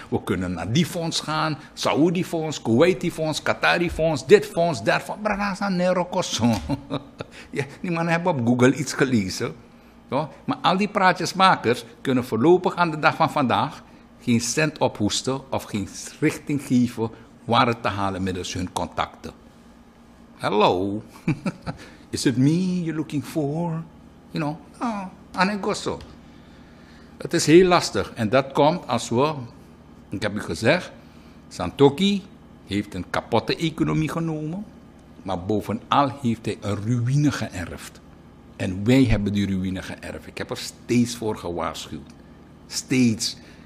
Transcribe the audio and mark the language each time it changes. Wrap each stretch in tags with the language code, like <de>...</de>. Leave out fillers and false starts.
<nl>We kunnen naar die fonds gaan. Saudi fonds, Kuwaiti fonds, Qatari fonds, dit fonds, dat fonds. Brother, dat is een ja, die mannen hebben op Google iets gelezen. Zo. Maar al die praatjesmakers kunnen voorlopig aan de dag van vandaag geen cent ophoesten of geen richting geven waar het te halen middels hun contacten.</nl> <en>Hello, is it me you're looking for? You know, oh, and I go so.</en> <nl>Het is heel lastig en dat komt als we, ik heb u gezegd, Santoki heeft een kapotte economie genomen. Maar bovenal heeft hij een ruïne geërfd. En wij hebben die ruïne geërfd. Ik heb er steeds voor gewaarschuwd. Steeds.</nl>